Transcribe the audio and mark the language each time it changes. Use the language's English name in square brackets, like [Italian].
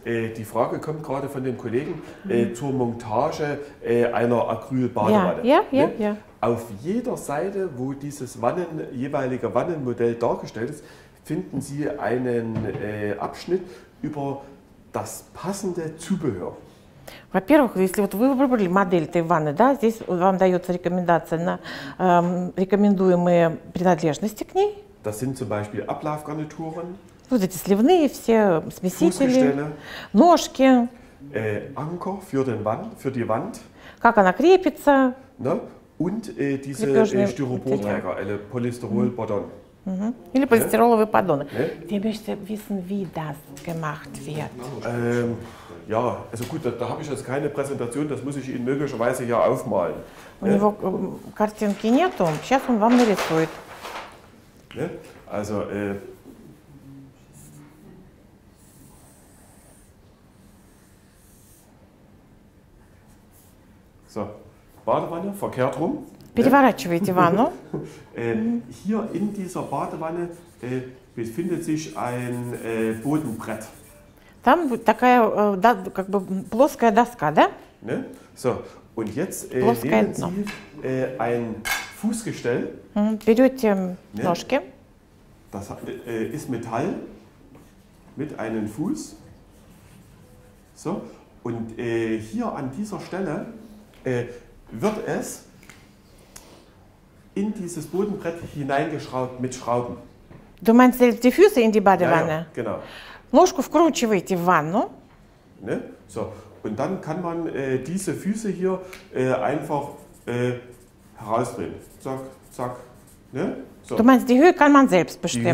[German] Die Frage kommt gerade von dem Kollegen zur Montage einer Acrylbadewanne. Ja, ja, ja, ne? ja. Auf jeder Seite, wo dieses jeweilige Wannenmodell dargestellt ist, finden Sie einen Abschnitt über das passende Zubehör. [Russian] Во-первых, если вот вы выбрали модель этой ванны, да, здесь вам дается рекомендация на рекомендуемые принадлежности к ней. [German] Das sind zum Beispiel Ablaufgarnituren. [Russian] Вот эти сливные все смесители. [German] Fußgestelle. [Russian] Ножки. [German] Anker für den Wand, für die Wand. [Russian] Как она крепится? [German] Ne? Und diese Styroporträger, [Russian] или [German] Polystyrol-Poddon. [Russian] Или полистироловые поддоны. [German] Wir möchten wissen, wie das gemacht wird. Ja, also gut, da habe ich jetzt keine Präsentation, das muss ich Ihnen möglicherweise hier aufmalen. [Russian] У него картинки нету, сейчас он вам нарисует. [German] Ne? Also, So, Badewanne, verkehrt rum. [Russian] Переворачиваете ванну. [German] Hier in dieser Badewanne befindet sich ein Bodenbrett. [Russian] Там такая да, как бы плоская доска, да? [German] Ne? So, und jetzt nehmen Sie ein Fußgestell. [Russian] Берете ne? Ножки. [German] Das ist Metall mit einem Fuß. So, und hier an dieser Stelle wird es in dieses Bodenbrett hineingeschraubt mit Schrauben. Du meinst jetzt die Füße in die Badewanne? Ja, ja, genau. [Russian] Ножку вкручиваете в ванну. [German] Ne? So. Und dann kann man diese Füße hier einfach herausdrehen. Zack, zack. Ne? So. Du meinst, die Höhe kann man selbst bestimmen.